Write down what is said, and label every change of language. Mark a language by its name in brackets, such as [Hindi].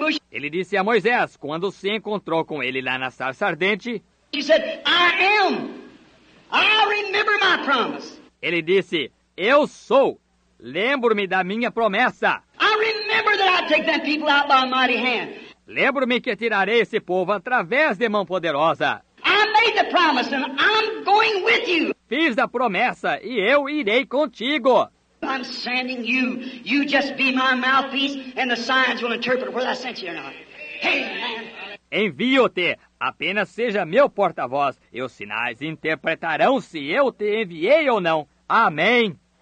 [Portuguese] Ele disse a Moisés, quando se encontrou com ele lá na sarça ardente. [English] He said, "I am. I remember my promise." [Portuguese] Ele disse: eu sou. Lembro-me da minha promessa. [English] I remember that I take that people out by a mighty hand. [Portuguese] Lembro-me que tirarei esse povo através de mão poderosa. [English] I made the promise and I'm going with you. [Portuguese] Fiz a promessa e eu irei contigo. [English] I'm sending you. You just be my mouthpiece and the signs will interpret whether I sent you or not. Hey, man. [Portuguese] Envio-te. Apenas seja meu porta-voz, e os sinais interpretarão se eu te enviei ou não. Amém.